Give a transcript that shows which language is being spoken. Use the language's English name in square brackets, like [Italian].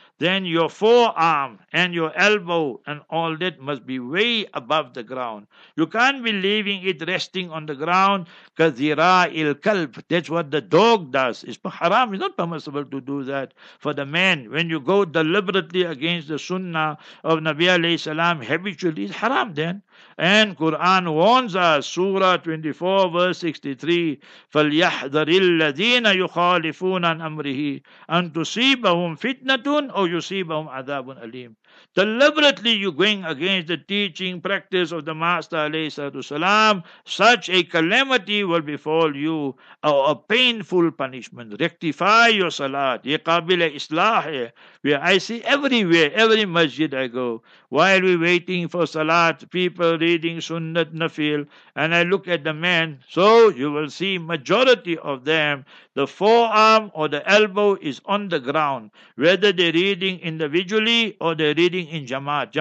[English] Then your forearm and your elbow and all that must be way above the ground. You can't be leaving it resting on the ground. [Arabic] Kazira il kalb. [English] That's what the dog does. It's haram. It's not permissible to do that for the man. When you go deliberately against the sunnah of Nabi alayhi salam habitually, it's haram then. And Quran warns us, Surah 24, verse 63, [Arabic] فَلْيَحْذَرِ الَّذِينَ يُخَالِفُونَ عَنْ أَمْرِهِ أَنْ تُصِيبَهُمْ فِتْنَةٌ أَوْ يُصِيبَهُمْ عَذَابٌ أَلِيمٌ. [English] Deliberately you going against the teaching practice of the Master alayhi salatu salam, such a calamity will befall you, or a painful punishment. Rectify your salat. [Arabic] يَقَابِلَ إِصْلَاحِ. [English] Where I see everywhere, every masjid I go, while we're waiting for salat, people reading sunnat nafil, and I look at the man, so you will see majority of them, the forearm or the elbow is on the ground, whether they're reading individually or they're reading in jamaat.